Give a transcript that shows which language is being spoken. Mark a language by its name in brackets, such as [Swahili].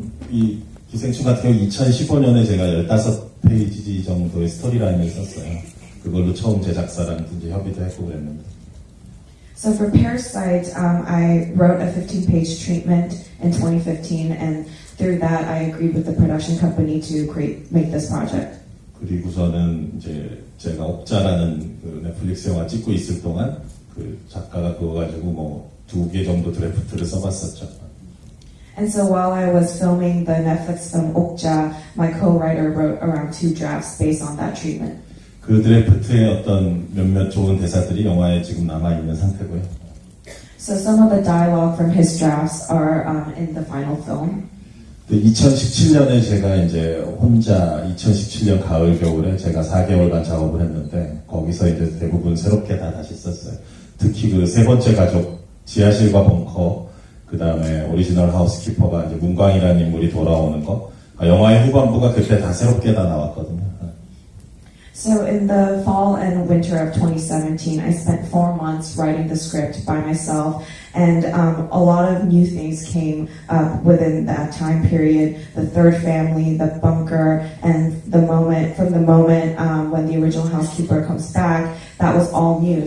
[Korean] 이 기생충 같은 경우 2015년에 제가 15페이지 정도의 스토리라인을 썼어요. 그걸로 처음 제작사랑 이제 협의도 했고 그랬는데. [English] So for Parasite, I wrote a 15-page treatment in 2015, and through that, I agreed with the production company to make this project. [Korean] 그리고서는 이제 제가 업자라는 그 넷플릭스 영화 찍고 있을 동안 그 작가가 그거 가지고 뭐 두 개 정도 드래프트를 써봤었죠. [English] And so while I was filming the Netflix film 옥자, my co-writer wrote around two drafts based on that treatment. [Korean] 그 드래프트의 어떤 몇몇 좋은 대사들이 영화에 지금 남아 있는 상태고요. [English] So some of the dialogue from his drafts are in the final film. [Korean] 2017년에 제가 이제 혼자 2017년 가을 겨울에 제가 4개월 반 작업을 했는데 거기서 이제 대부분 새롭게 다 다시 썼어요. 특히 그 세 번째 가족 지하실과 벙커 그다음에 오리지널 하우스키퍼가 이제 문광이라는 인물이 돌아오는 거 영화의 후반부가 그때 다 새롭게 다 나왔거든요. [English] So in the fall and winter of 2017, I spent 4 months writing the script by myself, and a lot of new things came up within that time period. The third family, the bunker, and the moment, from the moment when the original housekeeper comes back, that was all new.